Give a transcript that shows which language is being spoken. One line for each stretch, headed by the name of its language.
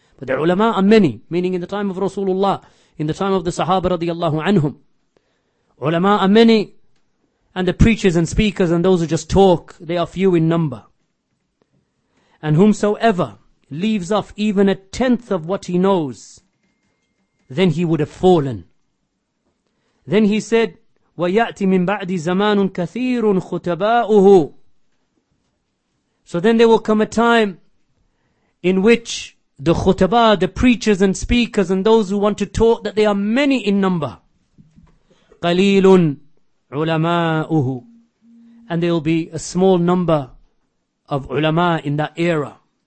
English: But the علماء are many, meaning in the time of Rasulullah, in the time of the Sahaba
Arabic: رضي الله عنهم.
English: علماء are many. And the preachers and speakers and those who just talk, they are few in number. And whomsoever leaves off even a tenth of what he knows, then he would have fallen. Then he said,
Arabic: وَيَأْتِ مِنْ بَعْدِ زَمَانٌ كَثِيرٌ خُتَبَاؤُهُ.
English: So then there will come a time in which the khutaba, the preachers and speakers and those who want to talk, that they are many in number.
Arabic: قَلِيلٌ ulama'uhu,
English: and there will be a small number of ulama in that era.